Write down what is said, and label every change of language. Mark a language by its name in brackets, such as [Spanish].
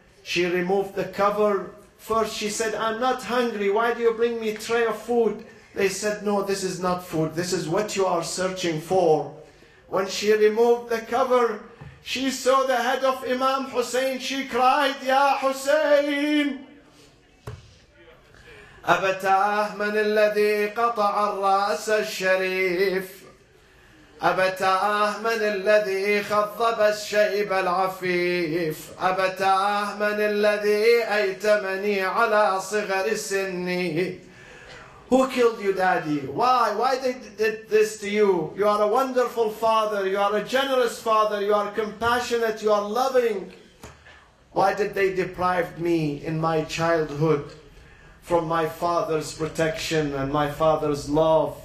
[English] She removed the cover. First she said, I'm not hungry. Why do you bring me a tray of food? They said, no, this is not food. This is what you are searching for. When she removed the cover, she saw the head of Imam Hussein. She cried, Ya Hussein! [Arabic] أبتاه من الذي قطع الرأس الشريف أبتاه من الذي خضب الشيب العفيف أبتاه من الذي أيتمني على صغر سني. [English] Who killed you, daddy? Why? Why they did this to you? You are a wonderful father. You are a generous father. You are compassionate. You are loving. Why did they deprive me in my childhood from my father's protection and my father's love?